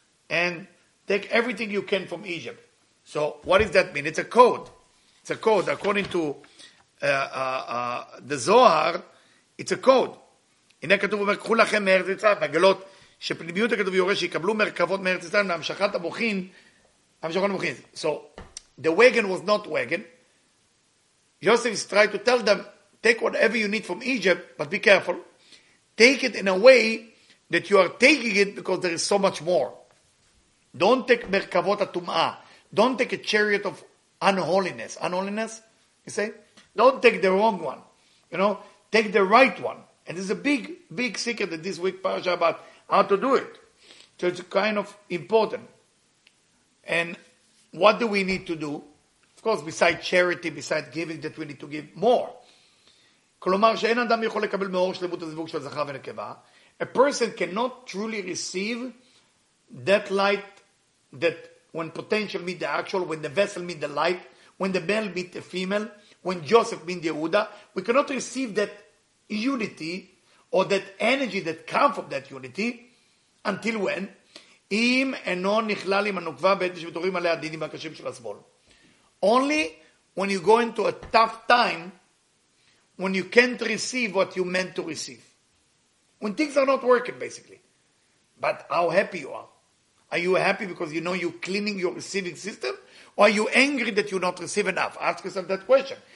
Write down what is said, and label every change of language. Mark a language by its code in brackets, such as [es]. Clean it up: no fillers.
[en] And take everything you can from Egypt. So what does that mean? It's a code. It's a code. According to the Zohar, it's a code. [he] הנה כתוב אומר, קחו לכם מארץ מצרים, מגלות שפנימיות הכתוב יורש, שיקבלו מרכבות מארץ מצרים, להמשכת המוחין, המשכת המוחין. [en] So, the wagon was not wagon. Joseph is trying to tell them, take whatever you need from Egypt, but be careful. Take it in a way that you are taking it because there is so much more. Don't take [he] merkavot atum'ah. [en] Don't take a chariot of unholiness. Unholiness, you say? Don't take the wrong one. You know, take the right one. And there's a big, big secret that this week parasha about how to do it. So it's kind of important. And what do we need to do? Of course, besides charity, besides giving, that we need to give more. [he] כלומר, שאין אדם יכול לקבל מאור שלמות הזיווג של זכר ונקבה. [en] A person cannot truly receive that light that when potential meet the actual, when the vessel meet the light, when the male meet the female, when Joseph meet the Yehuda, we cannot receive that unity or that energy that comes from that unity until when? [he] אם אינו נכלל עם הנוקבה בעת שמתורים עליה דינים הקשים של השמאל. [en] Only when you go into a tough time, when you can't receive what you meant to receive. When things are not working, basically. But how happy you are. Are you happy because you know you're cleaning your receiving system? Or are you angry that you're not receiving enough? Ask yourself that question.